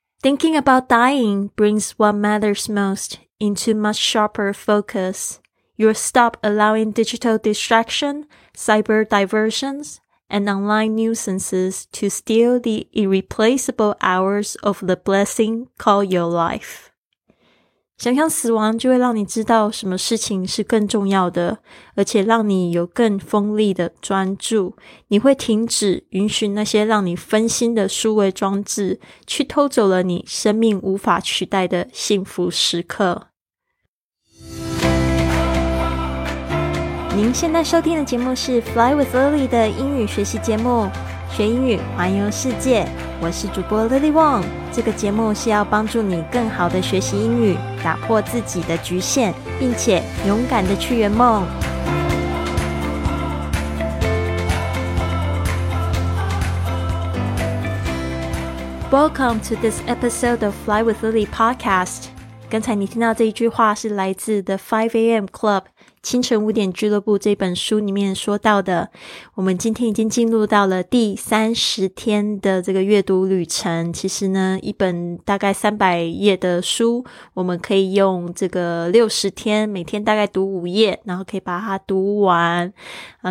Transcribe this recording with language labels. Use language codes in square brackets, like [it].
[en] Thinking about dying brings what matters most into much sharper focus. You'll stop allowing digital distraction, cyber diversions, and online nuisances to steal the irreplaceable hours of the blessing called your life. [zh] 想象死亡就会让你知道什么事情是更重要的，而且让你有更锋利的专注。你会停止允许那些让你分心的数位装置去偷走了你生命无法取代的幸福时刻。您现在收听的节目是 Fly with Lily 的英语学习节目，学英语环游世界。我是主播 Lily Wong， 这个节目是要帮助你更好的学习英语，打破自己的局限，并且勇敢的去圆梦。 [en] Welcome to this episode of Fly with Lily podcast。 [zh] 刚才你听到这一句话是来自 The 5AM Club 清晨五点俱乐部这本书里面说到的。我们今天已经进入到了第30天的这个阅读旅程。其实呢，一本大概300页的书，我们可以用这个60天，每天大概读5页，然后可以把它读完啊。